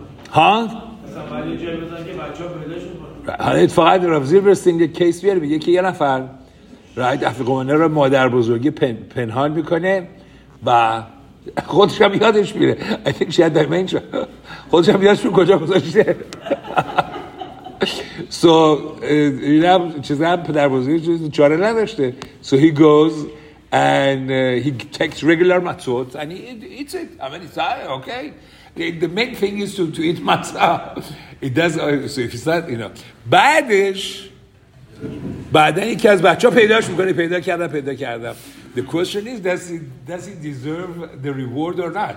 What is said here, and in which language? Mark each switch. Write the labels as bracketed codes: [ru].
[fa] حالا فقط Rav Zilberstein یه کیس بیاره بگه که یه نفر راید Afiqoman رو مادر بزرگی پنهان میکنه و خودش هم یادش میره. [en] I think she had dementia. [fa] خودش هم یادش میره کجا گذاشته. So این هم چیز هم پدر بزرگی چاره نداشته. [en] So he goes and he takes regular matzot and he eats it. I mean, it's okay. The main thing is to eat matzah. It does, so if it's not, you know. [fa] بعدش بعدن یکی از بچه ها پیداش میکنه. پیدا کردم. [en] The question is, does he deserve the reward or not?